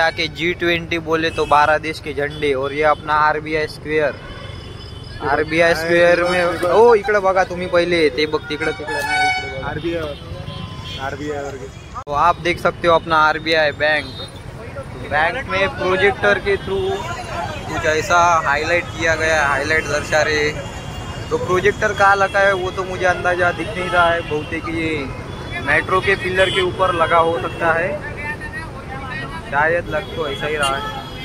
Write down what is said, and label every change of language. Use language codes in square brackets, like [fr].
[hi] G20 बोले तो 12 देश के झंडे, और ये अपना RBI स्क्वायर। [mr] आरबीआय स्क्वेअर मे ओ इकडे बघा तुम्ही पहिले ते बघ तिकडे तिकडे आरबीआय [hi] वर आप देख सकते हो अपना आरबीआय बैंक बैंक में प्रोजेक्टर के थ्रू कुछ ऐसा हाईलाइट किया गया है हाईलाइट दर्शा रहे तो प्रोजेक्टर कहाँ लगा है वो तो मुझे अंदाजा दिख नहीं रहा है बहुत ही कि मेट्रो के पिलर के ऊपर लगा हो सकता है शायद लग तो ऐसा ही रहा है